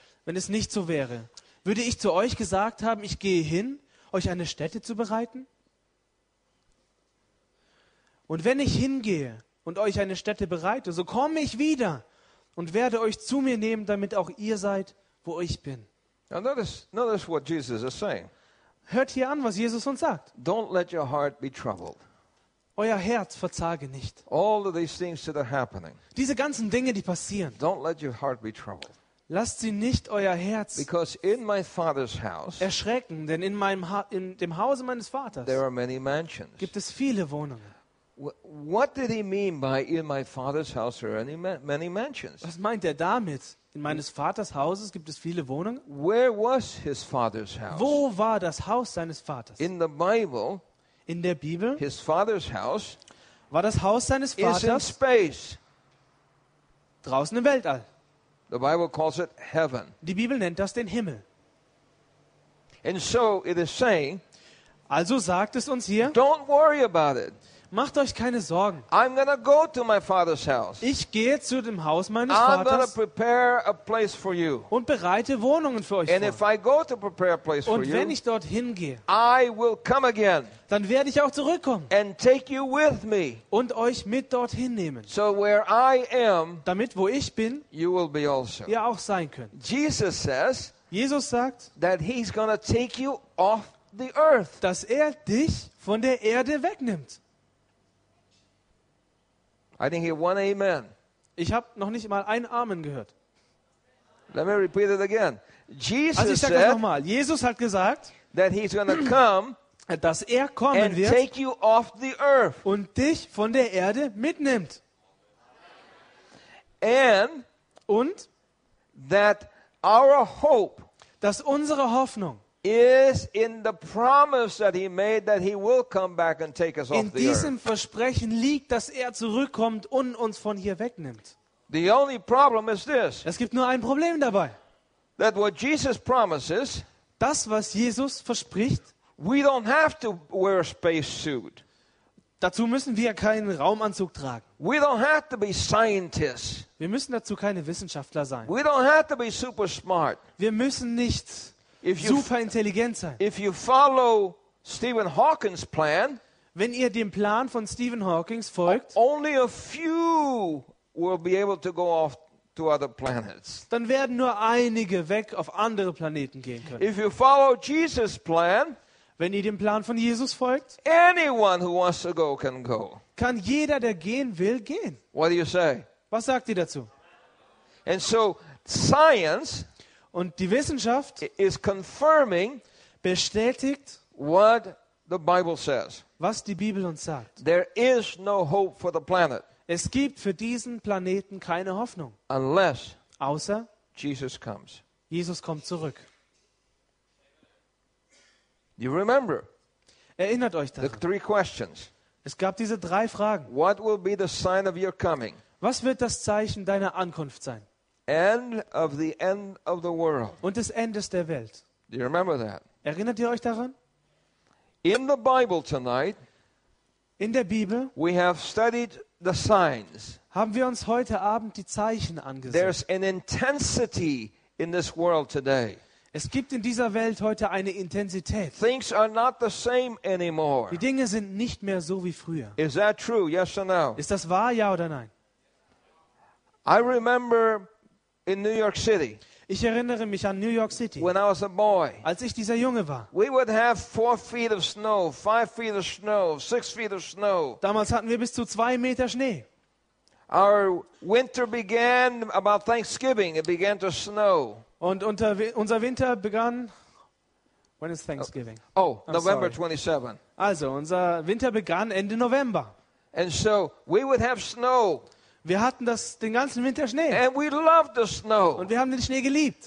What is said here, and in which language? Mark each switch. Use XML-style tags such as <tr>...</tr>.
<de>Wenn es nicht so wäre, würde ich zu euch gesagt haben, ich gehe hin, euch eine Stätte zu bereiten? Und wenn ich hingehe und euch eine Stätte bereite, so komme ich wieder und werde euch zu mir nehmen, damit auch ihr seid, wo ich bin.</de> <en>Now notice what Jesus is saying.</en> <de>Hört hier an, was Jesus uns sagt.</de> <en>Don't let your heart be troubled.</en> <de>Euer Herz verzage nicht.</de> <en>All of these things that are happening,</en> <de>diese ganzen Dinge, die passieren,</de> <en>don't let your heart be troubled.</en> <de>Lasst sie nicht euer Herz</de> <en>because in my father's house,</en> <de>erschrecken, denn in dem Hause meines Vaters,</de> <en>there are many mansions,</en> <de>gibt es viele Wohnungen.</de> <en>What did he mean by in my father's house are many mansions?</en> <de>Was meint er damit? In meines Vaters Hauses gibt es viele Wohnungen?</de> <en>Where was his father's house?</en> <de>Wo war das Haus seines Vaters?</de> <en>In the Bible,</en> <de>in der Bibel,</de> <en>his father's house,</en> <de>war das Haus seines Vaters</de> <en>in space,</en> <de>draußen im Weltall.</de> <en>The Bible calls it heaven.</en> <de>Die Bibel nennt das den Himmel.</de> <en>And so it is saying,</en> <de>also sagt es uns hier,</de> <en>don't worry about it.</en> <de>Macht euch keine Sorgen.</de> <en>I'm gonna go to my father's house.</en> <de>Ich gehe zu dem Haus meines</de> <en>I'm</en> <de>Vaters.</de> <en>Gonna prepare a place for you.</en> <de>Und bereite Wohnungen für euch</de> <en>and</en> <de>vor.</de> <en>If I go to prepare a place</en> <de>und</de> <en>for</en> <de>wenn</de> <en>you,</en> <de>ich dorthin gehe,</de> <en>I will come again.</en> <de>Dann werde ich auch zurückkommen.</de> <en>And take you with me.</en> <de>Und euch mit dorthin nehmen.</de> <en>So where I am,</en> <de>damit wo ich bin,</de> <en>you will be also.</en> <de>Ihr auch sein könnt.</de> <en>Jesus says,</en> <de>Jesus sagt,</de> <en>that he's gonna take you off the earth.</en> <de>Dass er dich von der Erde wegnimmt.</de> <en>I didn't hear one amen.</en> <de>Ich habe noch nicht mal ein Amen gehört.</de> <en>Let me repeat it again. Jesus</en> <de>also ich sage</de> <en>said,</en> <de>noch mal. Jesus hat gesagt,</de> <en>that he's gonna come</en> <de>dass er kommen</de> <en>and</en> <de>wird</de> <en>take you off the earth.</en> <de>Und dich von der Erde mitnimmt.</de> <en>And</en> <de>und</de> <en>that our hope</en> <de>dass unsere Hoffnung</de> <en>is in the promise that he made that he will come back and take us off the earth.</en> <de>In diesem Versprechen liegt, dass er zurückkommt und uns von hier wegnimmt.</de> <en>The only problem is this.</en> <de>Es gibt nur ein Problem dabei.</de> <en>That what Jesus promises,</en> <de>das was Jesus verspricht,</de> <en>we don't have to wear a space suit.</en> <de>Dazu müssen wir keinen Raumanzug tragen.</de> <en>We don't have to be scientists.</en> <de>Wir müssen dazu keine Wissenschaftler sein.</de> <en>We don't have to be super smart.</en> <de>Wir müssen nicht super intelligent sein.</de> <en>If you follow Stephen Hawking's plan,</en> <de>wenn ihr dem Plan von Stephen Hawking folgt,</de> <en>only a few will be able to go off to other planets.</en> <de>Dann werden nur einige weg auf andere Planeten gehen können.</de> <en>If you follow Jesus' plan,</en> <de>wenn ihr dem Plan von Jesus folgt,</de> <en>anyone who wants to go can go.</en> <de>Kann jeder, der gehen will, gehen.</de> <en>What do you say?</en> <de>Was sagt ihr dazu?</de> <en>And so science.</en> <de>Und die Wissenschaft</de> <en>is confirming</en> <de>bestätigt</de> <en>what the Bible says.</en> <de>Was die Bibel uns sagt.</de> <en>There is no hope for the planet.</en> <de>Es gibt für diesen Planeten keine Hoffnung.</de> <en>Unless</en> <de>außer</de> <en>Jesus comes.</en> <de>Jesus kommt zurück.</de> <en>You remember?</en> <de>Erinnert euch daran.</de> <en>The three questions.</en> <de>Es gab diese drei Fragen.</de> <en>What will be the sign of your coming?</en> <de>Was wird das Zeichen deiner Ankunft sein?</de> <en>End of the end of the world.</en> <de>Und des Endes der Welt.</de> <en>Do you remember that?</en> <de>Erinnert ihr euch daran?</de> <en>In the Bible tonight,</en> <de>in der Bibel,</de> <en>we have studied the signs.</en> <de>Haben wir uns heute Abend die Zeichen angesehen.</de> <en>There's an intensity in this world today.</en> <de>Es gibt in dieser Welt heute eine Intensität.</de> <en>Things are not the same anymore.</en> <de>Die Dinge sind nicht mehr so wie früher.</de> <en>Is that true? Yes or no?</en> <de>Ist das wahr, ja oder nein?</de> <en>I remember in New York City.</en> <de>Ich erinnere mich an New York City.</de> <en>When I was a boy.</en> <de>Als ich dieser Junge war.</de> <en>We would have 4 feet of snow, 5 feet of snow, 6 feet of snow.</en> <de>Damals hatten wir bis zu 2 Meter Schnee.</de> <en>Our winter began about Thanksgiving. It began to snow.</en> <de>Und unser Winter begann.</de> <en>When is Thanksgiving? Oh, November 27.</en> <de>Also unser Winter begann Ende November.</de> <en>And so we would have snow.</en> <de>Wir hatten das den ganzen Winter Schnee.</de> <en>And we loved the snow.</en> <de>Und wir haben den Schnee geliebt.</de>